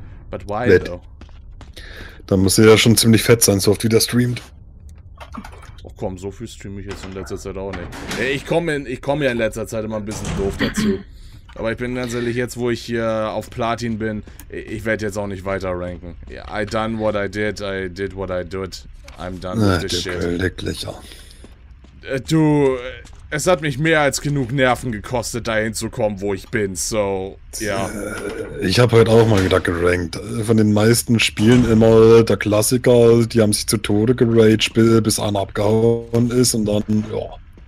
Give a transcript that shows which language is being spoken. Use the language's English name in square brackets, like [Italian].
[English] But why Let. Though? [German] Dann muss er ja schon ziemlich fett sein, so oft wie der streamt. Oh, guck komm, so viel streame ich jetzt in letzter Zeit auch nicht. Ich komm ja in letzter Zeit immer ein bisschen doof dazu. Aber ich bin ganz ehrlich, jetzt wo ich hier auf Platin bin, ich werde jetzt auch nicht weiter ranken. [English] I done what I did what I did. I'm done with this shit. [German] Glücklicher. Du, es hat mich mehr als genug Nerven gekostet, dahin zu kommen, wo ich bin, so, ja. Ich habe heute auch mal wieder gerankt. Von den meisten Spielen immer der Klassiker, die haben sich zu Tode geraged, bis einer abgehauen ist und dann, ja.